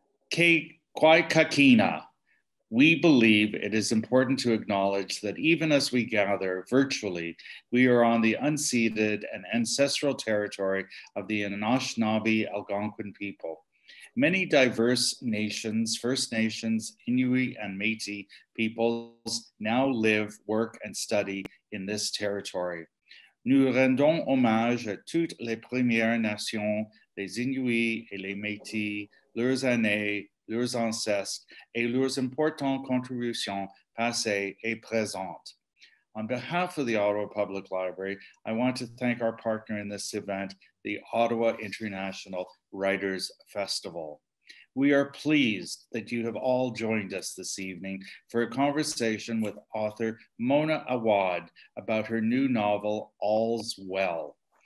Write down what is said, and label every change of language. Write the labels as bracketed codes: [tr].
[alq] Ke kwai kakina. [en] We believe it is important to acknowledge that even as we gather virtually, we are on the unceded and ancestral territory of the Anishinaabe Algonquin people. Many diverse nations, First Nations, Inuit, and Métis peoples now live, work, and study in this territory. [fr] Nous rendons hommage à toutes les Premières Nations, les Inuits et les Métis, leurs années, leurs ancêtres, et leurs importantes contributions passées et présentes. [en] On behalf of the Ottawa Public Library, I want to thank our partner in this event, the Ottawa International Writers Festival. We are pleased that you have all joined us this evening for a conversation with author Mona Awad about her new novel, All's Well.